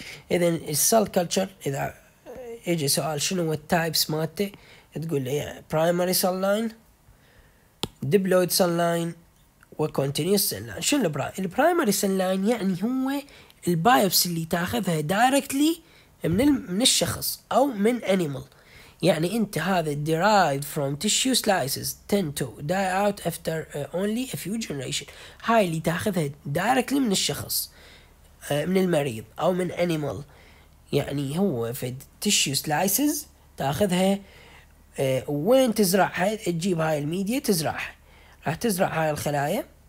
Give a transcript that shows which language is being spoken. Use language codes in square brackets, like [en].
[ar] اذا السيل كلتشر اذا يجي سؤال شنو هو التايبس مالته تقول لي برايمري سيل لاين ديبلويد سيل لاين وكونتينيوس سيل لاين. شنو البرايمري سيل لاين يعني هو البايوبس اللي تاخذها دايركتلي من الشخص او من انيمال. يعني انت هذا [en] derived from tissue slices tend to die out after only a few generations. [ar] هاي اللي تاخذها دايركتلي من الشخص من المريض او من انيمال. يعني هو في tissue slices تاخذها وين تزرعها تجيب هاي الميديا تزرعها راح تزرع هاي الخلايا.